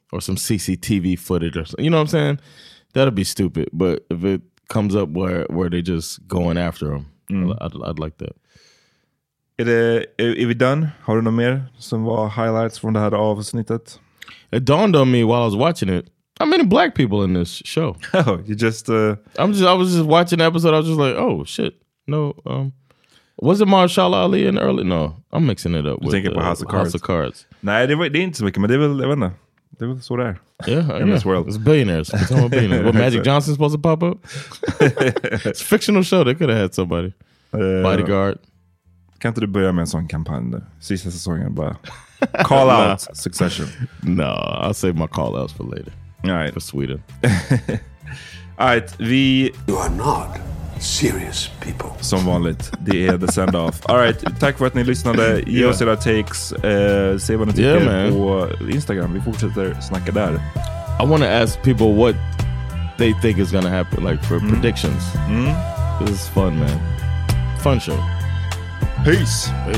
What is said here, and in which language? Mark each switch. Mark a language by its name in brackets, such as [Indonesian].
[English] Or some CCTV footage or something. You know what I'm saying? That'll be stupid, but if it comes up where they just going after him. I'd like that. [Swedish] Är vi done? Har du något mer som var highlights från det här avsnittet? [English] It dawned on me while I was watching it. How many black people in this show? Oh, you just... I was just watching the episode. I was just like, oh, shit. No. Was it Mahershala Ali in early? No. I'm mixing it up with House of Cards. [Swedish] Nej, det är inte så mycket, men det är väl... Det var så där. [English] Yeah, in this world. It's billionaires. What, Magic Johnson supposed to pop up? It's a fictional show. They could have had somebody. Bodyguard. [Swedish] Kan inte du börja med en sån kampanj där? Sista säsongen bara. [English] Call out Succession. No, I'll save my call outs for later. All right. For Sweden. All right, vi... You are not serious people. [Swedish] Som vanligt. Det är [English] the send-off. All right, [Swedish] tack för att ni lyssnade. Ge oss era takes. Se vad ni tycker på Instagram. Vi fortsätter snacka där. [English] I want to ask people what they think is going to happen, like for predictions. This is fun, man. Fun show. Peace.